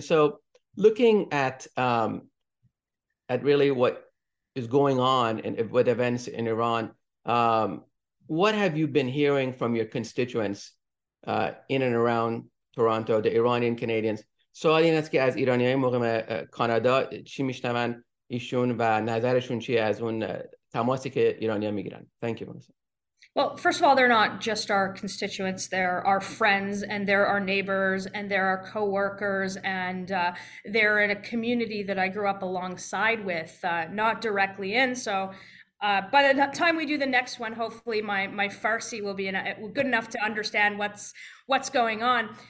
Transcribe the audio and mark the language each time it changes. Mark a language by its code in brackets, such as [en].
[en] So looking at really what is going on and with events in Iran, what have you been hearing from your constituents in and around Toronto, the Iranian Canadians? [fa] سوال این است که از ایرانی های مقیم کانادا چی میشنون ایشون و نظرشون چی از اون تماسی که ایرانی ها میگیرن. [en] Thank you. Well, first of all, they're not just our constituents. They're our friends, and they're our neighbors, and they're our coworkers, and they're in a community that I grew up alongside with, not directly in. So by the time we do the next one, hopefully my Farsi will be good enough to understand what's going on.